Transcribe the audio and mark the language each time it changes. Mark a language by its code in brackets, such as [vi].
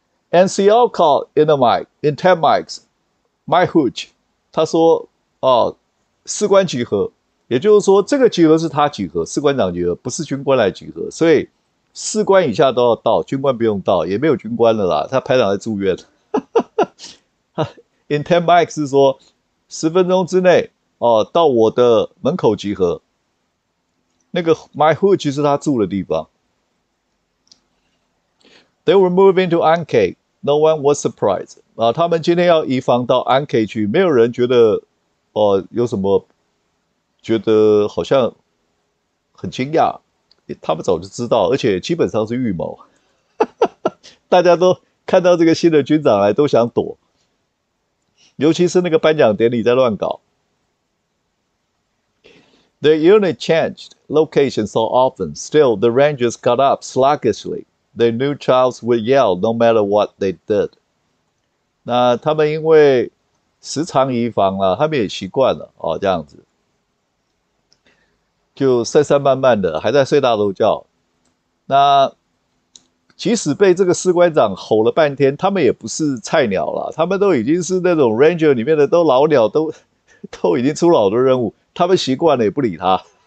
[en] And Seo called in the mic, in 10 mics, my hooch. [zh] 他说：“士官集合，也就是说，这个集合是他集合，士官长集合，不是军官来集合。所以士官以下都要到，军官不用到，也没有军官了啦。他排长在住院。 [en] In 10 mics [zh] 是说10分钟之内到我的门口集合。那个 [en] my hooch [zh] 是他住的地方。” [en] They were moving to Anke. No one was surprised. [zh] 啊，他们今天要移防到 Anke 去，没有人觉得，有什么觉得好像很惊讶。他们早就知道，而且基本上是预谋。大家都看到这个新的军长来，都想躲，尤其是那个颁奖典礼在乱搞。 [en] The unit changed location so often. Still, the Rangers got up sluggishly. They knew Charles would yell no matter what they did。 [zh] 那他们因为时常移防了，他们也习惯了哦，这样子就散散漫漫的，还在睡大头觉。那即使被这个士官长吼了半天，他们也不是菜鸟了，他们都已经是那种 Ranger 里面的都老鸟，都已经出老多任务，他们习惯了也不理他。